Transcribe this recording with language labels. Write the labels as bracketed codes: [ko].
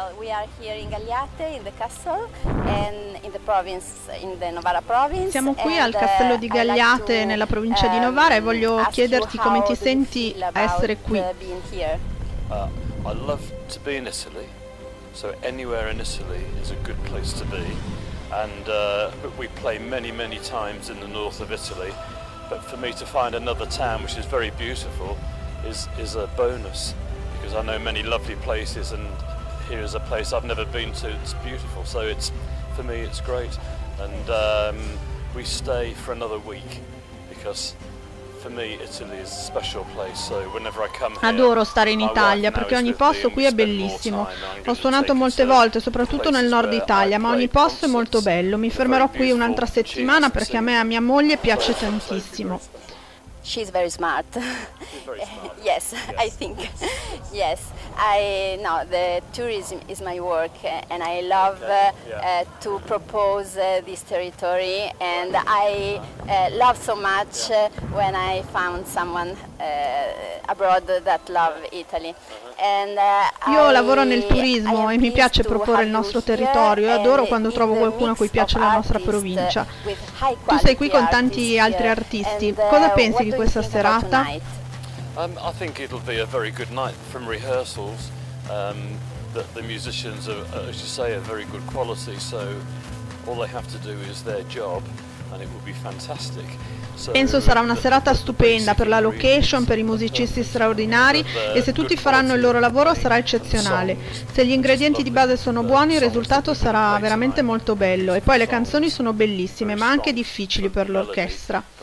[en] are here in Gagliate, in the castle, and in the province, in the Novara province. [it] Siamo qui al castello di Gagliate, [en] like to, [it] nella provincia di Novara, e voglio chiederti come ti senti a essere qui. [en] I love to be in Italy, so anywhere in Italy is a good place to be. And we play many, many times in the north of Italy, but for me to find another town which is very beautiful is a bonus, because I know many lovely places, and here is a place I've never been to. It's beautiful, so it's for me it's great. And we stay for another week, because for me Italy is a special place. So whenever I come here, [it] adoro stare in Italia, perché ogni posto qui è bellissimo. Ho suonato molte volte, soprattutto nel nord Italia, ma ogni posto è molto bello. Mi fermerò qui un'altra settimana, perché a me e a mia moglie piace tantissimo. [en] She's very smart. Yes, I think. Yes, the tourism is my work, and I love to propose this territory. And I love so much when I found someone abroad that love Italy. [it] And io lavoro nel turismo e mi piace proporre il nostro territorio. Io adoro quando trovo qualcuno a cui piace la nostra provincia. Tu sei qui con tanti altri artisti. Cosa pensi di questa serata? [en] I think it'll be a very good night from rehearsals. The musicians are, as you say, a very good quality, so all they have to do is their job, and it will be fantastic. [it] Penso sarà una serata stupenda per la location, per i musicisti straordinari, e se tutti faranno il loro lavoro sarà eccezionale. Se gli ingredienti di base sono buoni, il risultato sarà veramente molto bello. E poi le canzoni sono bellissime, ma anche difficili per l'orchestra.